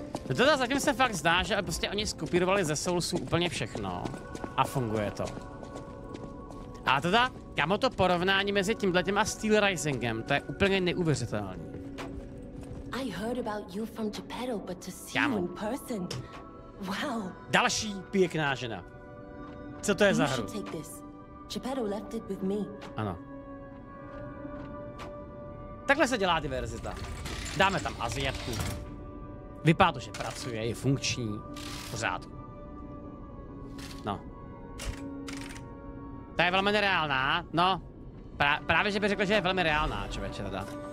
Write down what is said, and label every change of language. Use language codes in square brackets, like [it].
[cs] No to zatím se fakt zdá, že prostě oni skopírovali ze Soulsu úplně všechno a funguje to. A teda, kamo to porovnání mezi tímhletím a Steel Risingem, to je úplně neuvěřitelné. [en] I heard about you from Geppetto, but to see you in person. Wow. [cs] Další pěkná žena. Co to je za hru? [en] Geppetto left it with me. [cs] Ano. Takhle se dělá diverzita. Dáme tam Asiatku. Vypadá to, že pracuje, je funkční, pořád. No. Ta je velmi nereálná, no. Právě, že bych řekl, že je velmi reálná, člověče, teda.